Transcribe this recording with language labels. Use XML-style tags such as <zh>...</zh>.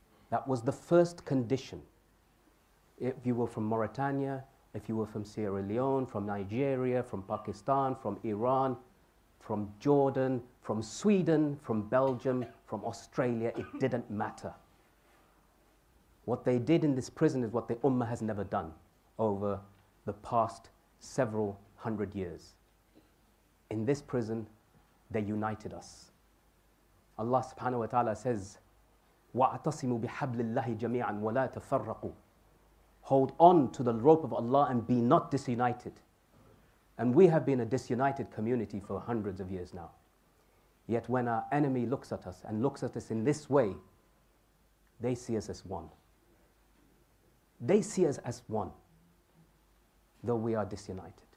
<en>That was the first condition. If you were from Mauritania, if you were from Sierra Leone, from Nigeria, from Pakistan, from Iran, from Jordan, from Sweden, from Belgium, from Australia, it didn't matter. What they did in this prison is what the Ummah has never done over the past several hundred years. In this prison, they united us. Allah subhanahu wa ta'ala says,</en> <ar>وَاعْتَصِمُوا بِحَبْلِ اللَّهِ جَمِيعًا وَلَا تَفَرَّقُوا.</ar> <en>Hold on to the rope of Allah and be not disunited. And we have been a disunited community for hundreds of years now. Yet when our enemy looks at us and looks at us in this way, they see us as one. They see us as one, though we are disunited.</en>